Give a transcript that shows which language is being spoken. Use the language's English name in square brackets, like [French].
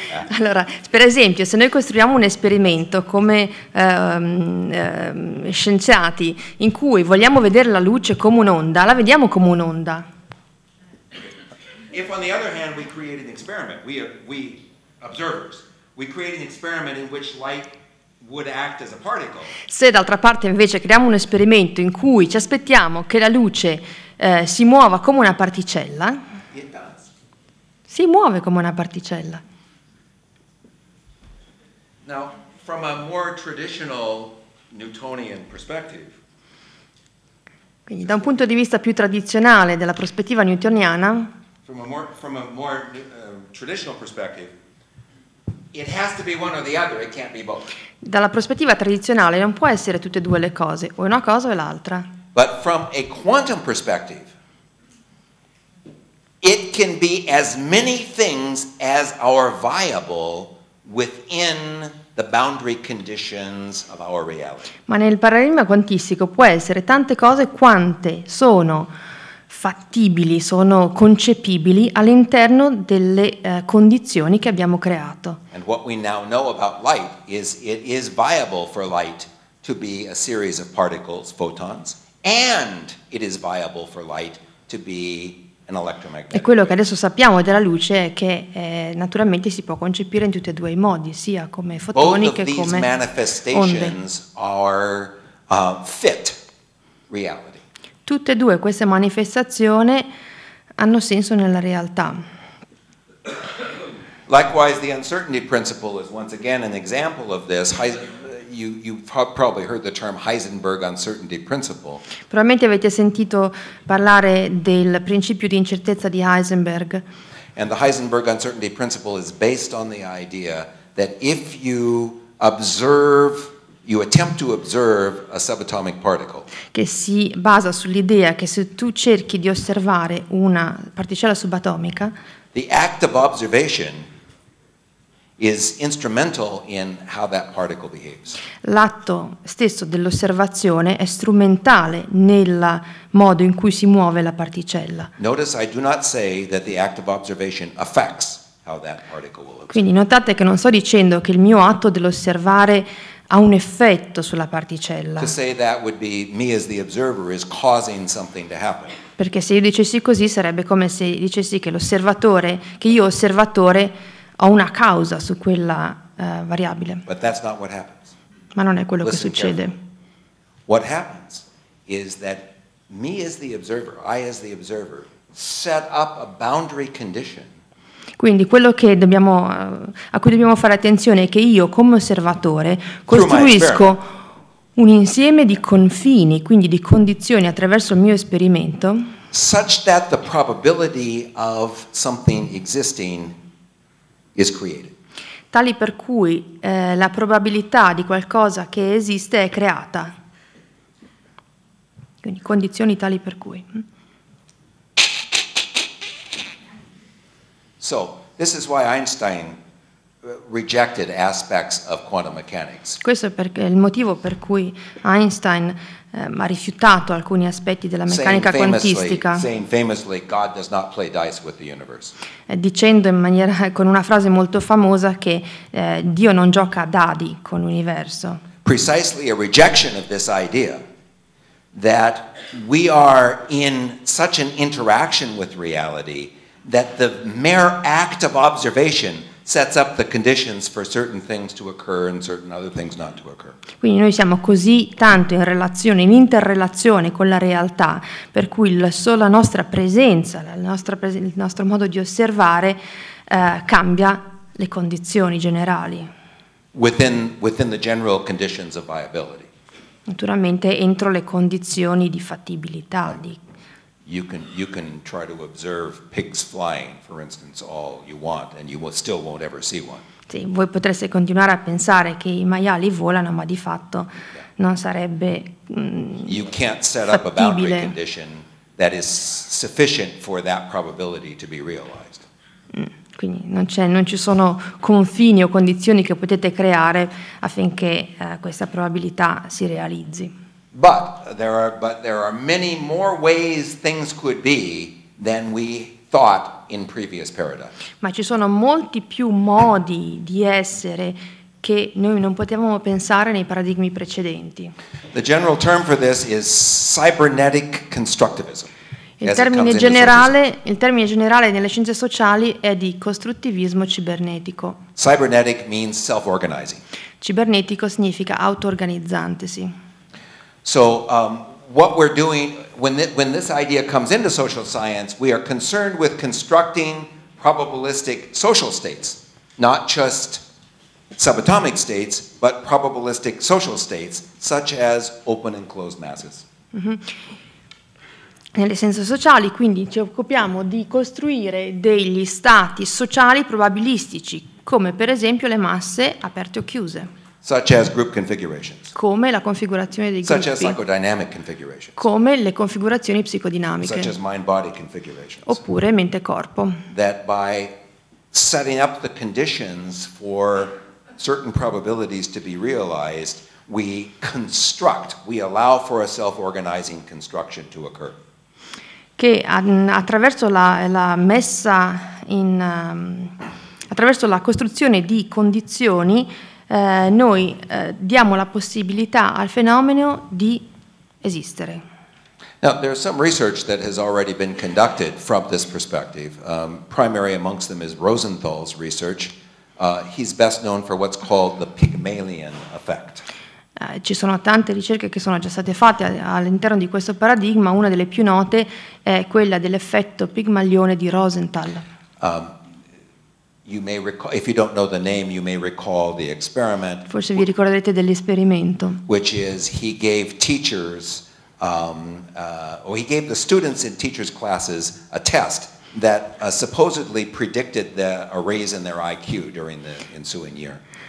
[Italian] Allora, per esempio, se noi costruiamo un esperimento come scienziati in cui vogliamo vedere la luce come un'onda, la vediamo come un'onda. [English] If on the other hand we create an experiment, we observers, we create an experiment in which light would act as a particle. [Italian] Se d'altra parte invece creiamo un esperimento in cui ci aspettiamo che la luce si muova come una particella, [English] it does. [Italian] Si muove come una particella. [English] Now, from a more traditional Newtonian perspective. [Italian] Quindi da un punto di vista più tradizionale della prospettiva newtoniana. [English] From a more traditional perspective, It has to be one or the other, it can't be both. [Italian] Dalla prospettiva tradizionale non può essere tutte e due le cose, o è una cosa o è l'altra. [English] But from a quantum perspective, it can be as many things as are viable within the boundary conditions of our reality. [Italian] Ma nel paradigma quantistico può essere tante cose quante sono fattibili, sono concepibili all'interno delle condizioni che abbiamo creato. [English] And what we now know about light is it is viable for light to be a series of particles, photons, and it is viable for light to be an electromagnetic. [Italian] E quello che adesso sappiamo della luce è che naturalmente si può concepire in tutti e due i modi, sia come fotoni che come [English] manifestations [Italian] onde. [English] Fit reality. [Italian] Tutte e due queste manifestazioni hanno senso nella realtà. [English] Likewise, the uncertainty principle is once again an example of this. You've probably heard the term Heisenberg uncertainty principle. [Italian] Probabilmente avete sentito parlare del principio di incertezza di Heisenberg. [English] And the Heisenberg uncertainty principle is based on the idea that if you observe you attempt to observe a subatomic particle. [Italian] Che si basa sull'idea che se tu cerchi di osservare una particella subatomica, [English] the act of observation is instrumental in how that particle behaves. [Italian] L'atto stesso dell'osservazione è strumentale nel modo in cui si muove la particella. [English] Notice I do not say that the act of observation affects how that particle will observe. [Italian] Quindi notate che non sto dicendo che il mio atto dell'osservare ha un effetto sulla particella. [English] To say that would be me as the observer is causing something to happen. [Italian] Perché se io dicessi così sarebbe come se dicessi che l'osservatore, che io osservatore ho una causa su quella variabile. [English] But that's not what happens. [Italian] Ma non è quello [English] Listen [Italian] che succede. [English] Carefully. What happens is that me as the observer, I as the observer set up a boundary condition. [Italian] Quindi quello che dobbiamo, a cui dobbiamo fare attenzione è che io come osservatore costruisco un insieme di confini, quindi di condizioni attraverso il mio esperimento, such that the probability of something existing is created. Tali per cui la probabilità di qualcosa che esiste è creata. Quindi condizioni tali per cui. [English] So, this is why Einstein rejected aspects of quantum mechanics. [Italian] Questo è perché il motivo per cui Einstein ha rifiutato alcuni aspetti della meccanica quantistica. [English] Saying famously, God does not play dice with the universe. [Italian] Dicendo in maniera con una frase molto famosa che Dio non gioca a dadi con l'universo. [English] Precisely a rejection of this idea that we are in such an interaction with reality that the mere act of observation sets up the conditions for certain things to occur and certain other things not to occur. [Italian] Quindi noi siamo così tanto in relazione, in interrelazione con la realtà, per cui la sola nostra presenza, il nostro modo di osservare cambia le condizioni generali. [English] Within the general conditions of viability. [Italian] Naturalmente entro le condizioni di fattibilità di [English] You can try to observe pigs flying, for instance, all you want, and you will still won't ever see one. [Italian] Sì, voi potreste continuare a pensare che i maiali volano, ma di fatto non sarebbe fattibile. [English] You can't set up a boundary condition that is sufficient for that probability to be realized. [Italian] Quindi non ci sono confini o condizioni che potete creare affinché questa probabilità si realizzi. [English] But there are many more ways things could be than we thought in previous paradigms. [Italian] Ma ci sono molti più modi di essere che noi non potevamo pensare nei paradigmi precedenti. [English] The general term for this is cybernetic constructivism. [Italian] Il termine generale nelle scienze sociali è di costruttivismo cibernetico. [English] Cybernetic means self-organizing. [Italian] Cibernetico significa auto-organizzantesi. [English] So what we're doing, when this idea comes into social science, we are concerned with constructing probabilistic social states, not just subatomic states, but probabilistic social states, such as open and closed masses. Mm-hmm. [Italian] Nelle scienze sociali, quindi, ci occupiamo di costruire degli stati sociali probabilistici, come per esempio le masse aperte o chiuse. [English] Such as group configurations. [Italian] Come la configurazione dei [English] such [Italian] gruppi. [English] As psychodynamic configurations. [Italian] Come le configurazioni psicodinamiche. [English] Such as mind-body configurations. [Italian] Oppure mente-corpo. [English] That by setting up the conditions for certain probabilities to be realized, we construct, we allow for a self-organizing construction to occur. [Italian] Che attraverso la messa in attraverso la costruzione di condizioni noi diamo la possibilità al fenomeno di esistere. [English] Now, there is some research that has already been conducted from this perspective. Primary amongst them is Rosenthal's research. He's best known for what's called the Pygmalion effect. [Italian] Ci sono tante ricerche che sono già state fatte all'interno di questo paradigma. Una delle più note è quella dell'effetto Pigmalione di Rosenthal. [English] You may recall, if you don't know the name, you may recall the experiment. [Italian] Forse vi ricorderete dell'esperimento. [English] Which is he gave teachers, or he gave the students in teachers' classes a test that supposedly predicted a raise in their IQ during the ensuing year.